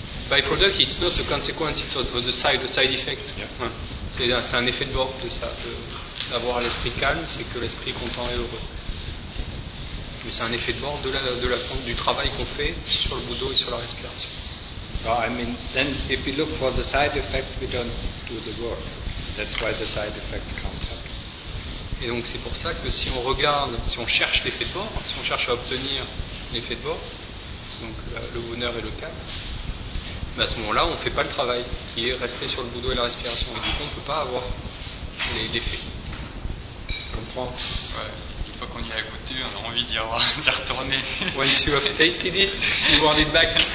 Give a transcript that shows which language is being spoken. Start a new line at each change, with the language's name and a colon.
English: Byproduct, it's not a consequence, it's the side effect. Yeah.
French: C'est un effet de bord de ça, d'avoir l'esprit calme, c'est que l'esprit est content et heureux. Mais c'est un effet de bord du travail qu'on fait sur le Bouddha et sur la respiration.
English: Well, I mean, then if we look for the side effects, we don't do the work. That's why the side effects can't happen.
French: Et donc c'est pour ça que si on regarde, si on cherche l'effet de bord, si on cherche à obtenir l'effet de bord, donc le bonheur et le calme, à ce moment-là, on ne fait pas le travail qui est rester sur le Bouddha et la respiration. Et du coup, on ne peut pas avoir l'effet. Comprends? Ouais. Une fois qu'on y a goûté, on a envie d'y retourner.
English: Once you have tasted it, you want it back.